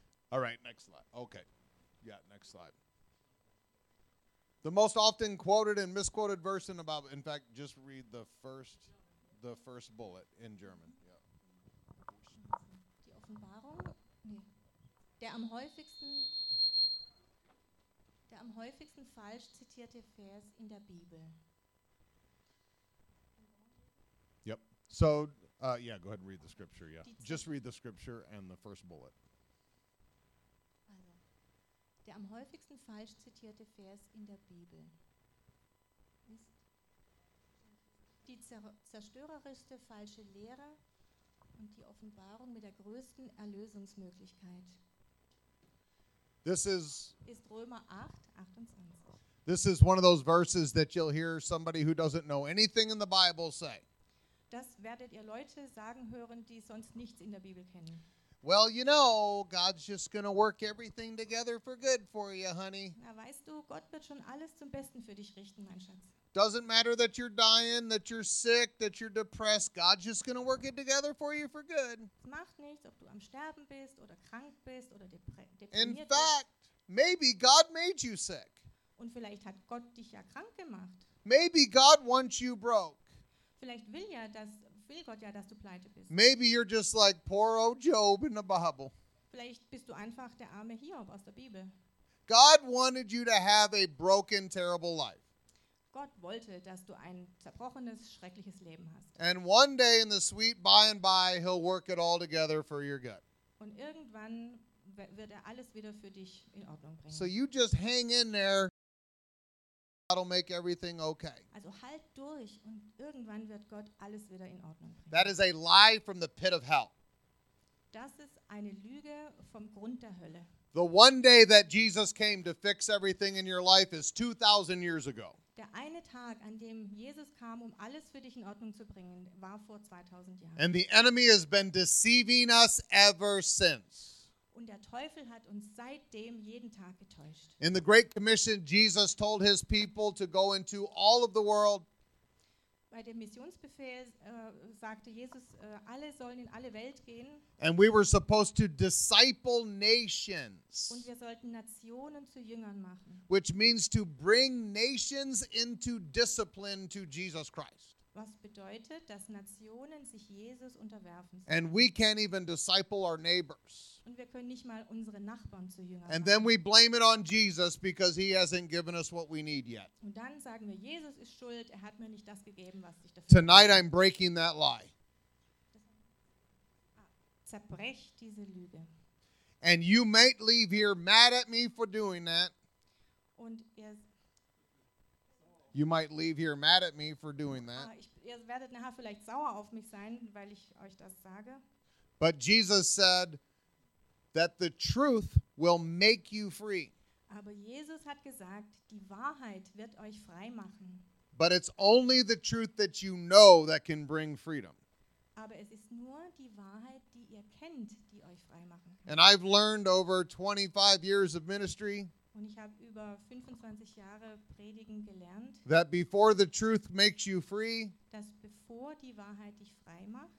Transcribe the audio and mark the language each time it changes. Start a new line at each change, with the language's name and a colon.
English: All right, next slide. Okay, yeah, next slide. The most often quoted and misquoted verse in the Bible. In fact, just read the first bullet in German. Yeah.
German: Die Offenbarung? Nee. Der am häufigsten falsch zitierte Vers in der Bibel.
English: Yep. So, yeah, go ahead and read the scripture, yeah. Just read the scripture and the first bullet.
German: Also, der am häufigsten falsch zitierte Vers in der Bibel ist die zerstörerischste falsche Lehre und die Offenbarung mit der größten Erlösungsmöglichkeit.
English: This is
German: ist Römer 8, 28.
English: This is one of those verses that you'll hear somebody who doesn't know anything in the Bible say.
German: Das werdet ihr Leute sagen hören, die sonst nichts in der Bibel kennen.
English: Well, you know, God's just going to work everything together for good for you, honey.
German: Na, weißt du, Gott wird schon alles zum Besten für dich richten, mein Schatz.
English: Doesn't matter that you're dying, that you're sick, that you're depressed. God's just going to work it together for you for good.
German: Es macht nichts, ob du am Sterben bist oder krank bist oder deprimiert bist.
English: In fact, maybe God made you sick.
German: Und vielleicht hat Gott dich ja krank gemacht.
English: Maybe God wants you broke.
German: Vielleicht will Gott ja, dass du pleite bist.
English: Maybe you're just like poor old Job in the Bible.
German: Vielleicht bist du einfach der arme Hiob aus der Bibel.
English: God wanted you to have a broken, terrible life.
German: Gott wollte, dass du ein zerbrochenes, schreckliches Leben hast.
English: And one day in the sweet by and by, he'll work it all together for your good.
German: Und irgendwann wird alles wieder für dich in Ordnung bringen.
English: So you just hang in there. That'll make everything okay.
German: Also halt durch und irgendwann wird Gott alles wieder in Ordnung bringen.
English: That is a lie from the pit of hell.
German: Das ist eine Lüge vom Grund der Hölle.
English: The one day that Jesus came to fix everything in your life is 2000 years ago.
German: Der eine Tag, an dem Jesus kam, um alles für dich in Ordnung zu bringen, war vor 2000 Jahren.
English: And the enemy has been deceiving us ever since.
German: Und der Teufel hat uns seitdem jeden Tag getäuscht.
English: In the Great Commission, Jesus told his people to go into all of the world.
German: Bei dem Missionsbefehl sagte Jesus, alle sollen in alle Welt gehen.
English: And we were supposed to disciple nations.
German: Und wir sollten Nationen zu Jüngern machen.
English: Which means to bring nations into discipline to Jesus Christ.
German: Was bedeutet, dass Nationen sich Jesus unterwerfen sollen.
English: And we can't even disciple our neighbors.
German: Und wir können nicht mal unsere Nachbarn zu Jüngern machen.
English: And then we blame it on Jesus because he hasn't given us what we need yet.
German: Und dann sagen wir, Jesus ist schuld, er hat mir nicht das gegeben, was ich dafür.
English: Tonight I'm breaking that lie.
German: Zerbrech diese Lüge.
English: And you might leave here mad at me for doing that.
German: Und ihr
English: You might leave here mad at me for doing that.
German: Ihr werdet nachher vielleicht sauer auf mich sein, weil ich euch das sage.
English: But Jesus said that the truth will make you free.
German: Aber Jesus hat gesagt, die Wahrheit wird euch frei machen.
English: But it's only the truth that you know that can bring freedom.
German: Aber es ist nur die Wahrheit, die ihr kennt, die euch frei machen kann.
English: And I've learned over 25 years of ministry.
German: Und ich habe über 25 Jahre Predigen gelernt.
English: That before the truth makes you free,
German: dass bevor die Wahrheit dich frei macht,